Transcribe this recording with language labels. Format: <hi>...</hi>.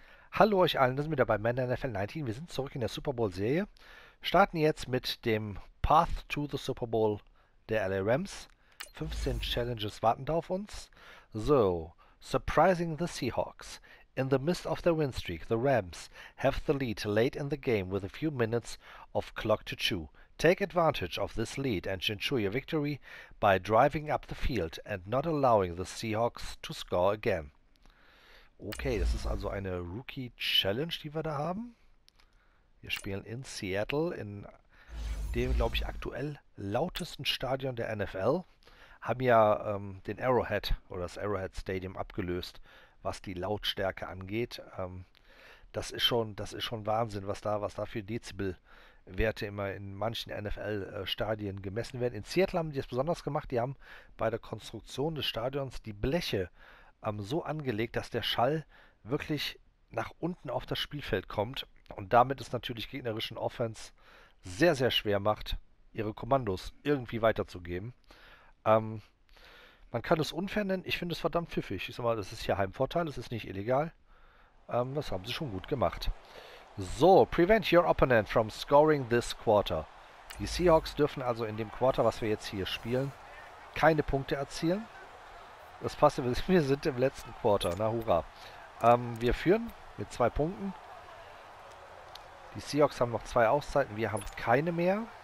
<de>Hallo euch allen, das sind wieder bei Madden NFL 19. Wir sind zurück in der Super Bowl-Serie. Starten jetzt mit dem Path to the Super Bowl der LA Rams. 15 Challenges warten da auf uns.</de> <en>So, surprising the Seahawks. In the midst of their win streak, the Rams have the lead late in the game with a few minutes of clock to chew. Take advantage of this lead and ensure your victory by driving up the field and not allowing the Seahawks to score again.</en> <de>Okay, das ist also eine Rookie-Challenge, die wir da haben. Wir spielen in Seattle, in dem, glaube ich, aktuell lautesten Stadion der NFL. Haben ja den Arrowhead oder das Arrowhead Stadium abgelöst, was die Lautstärke angeht. Das ist schon Wahnsinn, was da für Dezibel-Werte immer in manchen NFL-Stadien gemessen werden. In Seattle haben die das besonders gemacht. Die haben bei der Konstruktion des Stadions die Bleche so angelegt, dass der Schall wirklich nach unten auf das Spielfeld kommt und damit es natürlich gegnerischen Offense sehr, sehr schwer macht, ihre Kommandos irgendwie weiterzugeben. Man kann es unfair nennen, ich finde es verdammt pfiffig. Ich sag mal, das ist hier Heimvorteil, es ist nicht illegal. Das haben sie schon gut gemacht.</de> <en>So, prevent your opponent from scoring this quarter.</en> <de>Die Seahawks dürfen also in dem Quarter, was wir jetzt hier spielen, keine Punkte erzielen. Das Passive ist, wir sind im letzten Quarter. Na hurra. Wir führen mit 2 Punkten. Die Seahawks haben noch 2 Auszeiten. Wir haben keine mehr.</de>